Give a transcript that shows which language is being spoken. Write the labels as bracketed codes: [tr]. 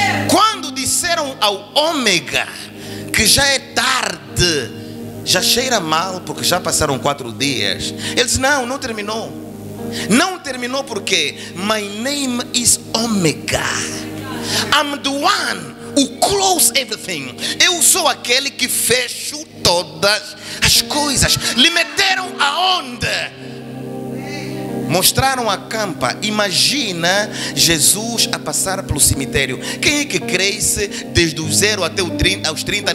[pt] Quando disseram ao Ômega que já é tarde, já cheira mal porque já passaram 4 dias, ele disse, não, não terminou. Não terminou porque [en] my name is Ômega. I'm the one who closes everything. [pt] Eu sou aquele que fecho todas as coisas. Lhe meteram aonde? Mostraram a campa. Imagina Jesus a passar pelo cemitério. Quem é que cresce desde o 0 até o 30, aos 30?